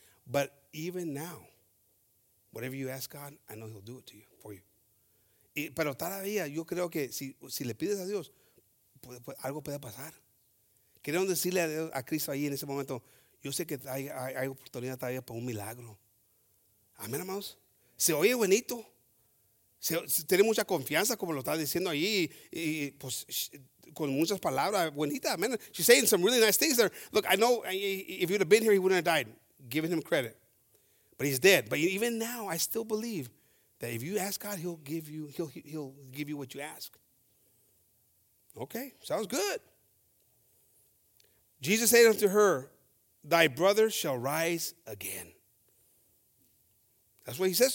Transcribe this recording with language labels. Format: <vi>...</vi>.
<en>But even now, whatever you ask God, I know he'll do it to you, for you.</en> <es>Pero todavía, yo creo que si le pides a Dios, algo puede pasar. Quiero decirle a Cristo ahí en ese momento, yo sé que hay oportunidad todavía para un milagro. Amén, hermanos. Se oye bonito. Tiene mucha confianza, como lo está diciendo ahí, y pues con muchas palabras, bonita.</es> <en>Amen. She's saying some really nice things there. Look, I know if you'd have been here, he wouldn't have died. Giving him credit. But he's dead. But even now, I still believe that if you ask God, he'll give you what you ask. Okay, sounds good. Jesus said unto her, thy brother shall rise again. That's what he says.</en>